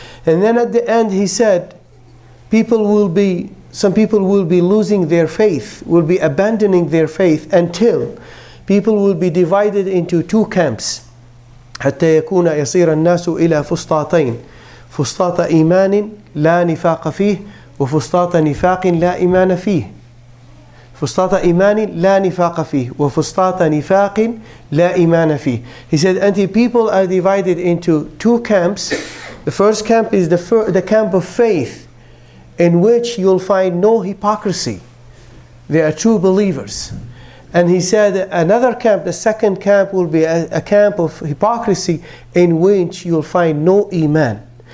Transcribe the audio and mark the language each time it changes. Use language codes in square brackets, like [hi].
[en] And then at the end he said, some people will be losing their faith, will be abandoning their faith until people will be divided into two camps. [ar] حتى يكون يصير الناس إلى فسطاطين فسطاط إيمان لا نفاق فيه وفسطاط نفاق لا إيمان فيه. فسطاط إيمان لا نفاق فيه وفسطاط نفاق لا إيمان فيه. [en] He said, until people are divided into two camps. The first camp is the camp of faith, in which you'll find no hypocrisy. They are true believers. And he said, another camp, the second camp, will be a camp of hypocrisy, in which you'll find no iman.